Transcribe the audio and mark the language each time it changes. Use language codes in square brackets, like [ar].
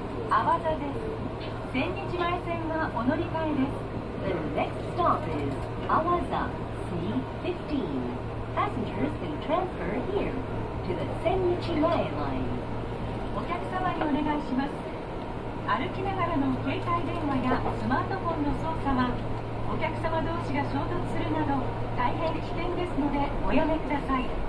[ja] 泡座です。千日前線はお乗り換えです。 [en] The next stop is 泡座 C15. Passengers can transfer here to the 千日前 line. [ja] お客様にお願いします。歩きながらの携帯電話やスマートフォンの操作は、お客様同士が衝突するなど大変危険ですのでおやめください。